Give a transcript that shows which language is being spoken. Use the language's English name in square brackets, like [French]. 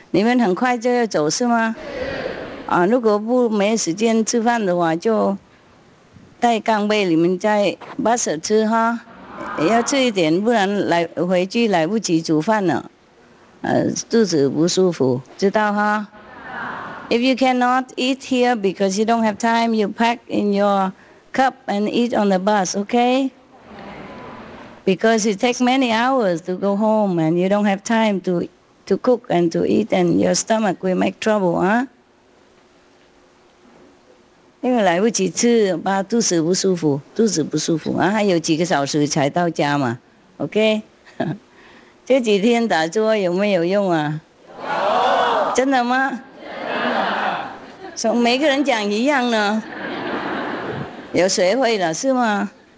[Chinese] 你们很快就要走是吗？啊，如果不没时间吃饭的话，就带钢杯你们在巴士吃哈。也要吃一点，不然来回去来不及煮饭了。肚子不舒服，知道哈？ [English] If you cannot eat here because you don't have time, you pack in your cup and eat on the bus, okay? Because it takes many hours to go home and you don't have time to cook and to eat and your stomach will make trouble, huh? [Chinese] 因为来不及吃，怕肚子不舒服，肚子不舒服啊，还有几个小时才到家嘛 ，OK？这几天打坐有没有用啊？有。真的吗？真的。每个人讲一样呢。有谁会了是吗？